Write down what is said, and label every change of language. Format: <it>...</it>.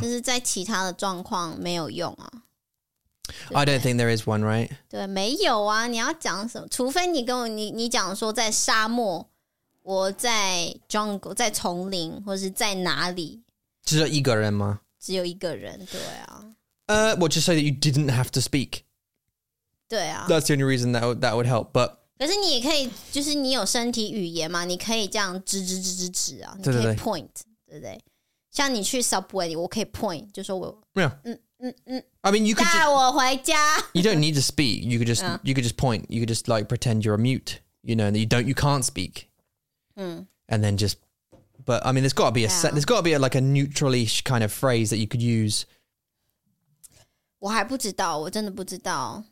<zh>就是在其他的状况没有用啊。</zh> <en>I don't think there is one, right?</en> <zh>对没有啊你要讲什么除非你跟我你讲说在沙漠我在 jungle, 在丛林或是在哪里。只有一个人吗只有一个人对啊。</zh> <en>Well, just say that you didn't have to speak.</en> <zh>对啊。</zh> <en>That's the only reason that would help, but...</en> <zh>可是你也可以就是你有身体语言嘛你可以这样指指指指指啊你可以 point, 对不对像你去 subway, 我可以 point, 就说我</zh> <en>yeah. I mean, you could</en> <zh>带我回家</zh> <en>You don't need to speak, you could just point, you could just like pretend you're a mute, you know, that you can't speak.、And then just, but I mean, there's got to be there's got to be like a neutral-ish kind of phrase that you could use.</en> <zh>我还不知道我真的不知道。</zh>